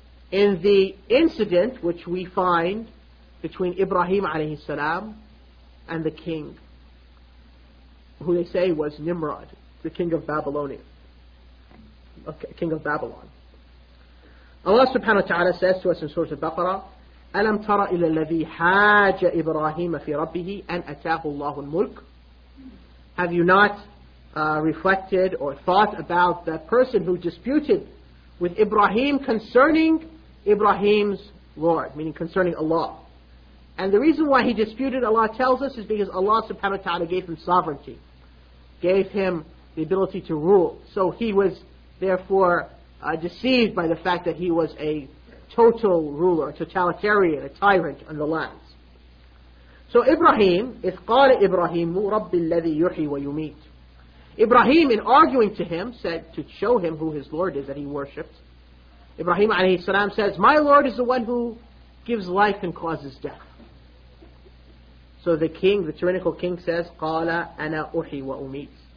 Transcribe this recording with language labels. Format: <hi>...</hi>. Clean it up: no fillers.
<en>In the incident which we find between Ibrahim alayhi salam and the king, who they say was Nimrod, the king of Babylonia, okay, king of Babylon. Allah subhanahu wa ta'ala says to us in Surah Al-Baqarah,</en> <ar>أَلَمْ تَرَ إِلَى الَّذِي حَاجَ إِبْرَاهِيمَ فِي رَبِّهِ أَنْ أَتَاهُ اللَّهُ الْمُلْكُ.</ar> <en>Have you not reflected or thought about that person who disputed with Ibrahim concerning Ibrahim's Lord, meaning concerning Allah? And the reason why he disputed, Allah tells us, is because Allah subhanahu wa ta'ala gave him sovereignty, gave him the ability to rule. So he was therefore deceived by the fact that he was a total ruler, a totalitarian, a tyrant on the lands. So Ibrahim,</en> <ar>إِذْ قَالَ إِبْرَاهِيمُ رَبِّ الَّذِي يُحْيِي وَيُمِيتُ.</ar> <en>Ibrahim, in arguing to him, said to show him who his Lord is that he worshipped. Ibrahim alayhi salam says, my Lord is the one who gives life and causes death. So the king, the tyrannical king, says,</en> <ar>قَالَ أَنَا أُحْيِي وَأُمِيتُ.</ar>